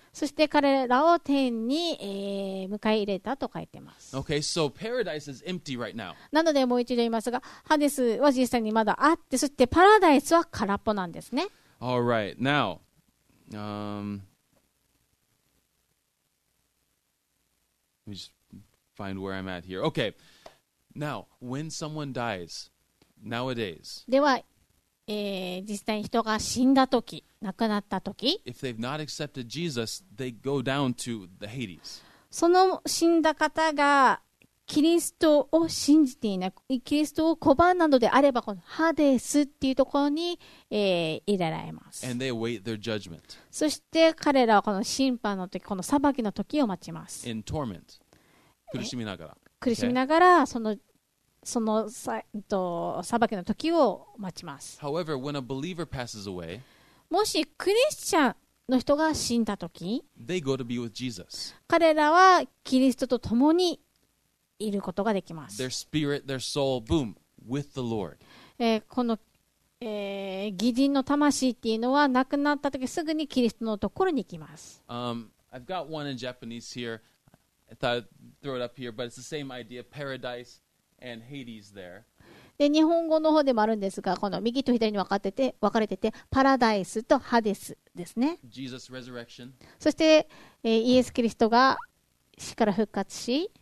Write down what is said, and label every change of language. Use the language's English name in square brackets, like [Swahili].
[Japanese] そして彼らを天に、迎え入れたと書いています。 [English] Okay, so paradise is empty right now. [Japanese] なのでもう一度言いますが、ハデスは実際にまだあって、そしてパラダイスは空っぽなんですね。 [English] All right, now, let me just find where I'm at here. Okay, now, when someone dies, nowadays, [Japanese] では、実際に人が死んだ時、亡くなった時、 [English] if they've not accepted Jesus, they go down to the Hades. [Japanese] その死んだ方がキリストを信じていない、キリストを拒んだのであれば、このハデスっていうところに、入れられます。 [English] And they await their judgment. [Japanese] そして彼らはこの審判の時、この裁きの時を待ちます。 [English] In torment. [Japanese] 苦しみながら。苦しみながら、その裁きの時を待ちます。 [English] However, when a believer passes away, [Japanese] もしクリスチャンの人が死んだ時、 [English] they go to be with Jesus. [Japanese] 彼らはキリストと共にいることができます。 [English] Their spirit, their soul, boom, with the Lord. [Japanese] この、義人の魂っていうのは亡くなった時すぐにキリストのところに行きます。 [English] I've got one in Japanese here. I thought I'd throw it up here, but it's the same idea, paradise and Hades there. [Japanese] で、日本語の方でもあるんですが、この右と左に分かれてて、パラダイスとハデスですね。 [English] Jesus' resurrection. [Japanese] そして、イエス・キリストが死から復活し、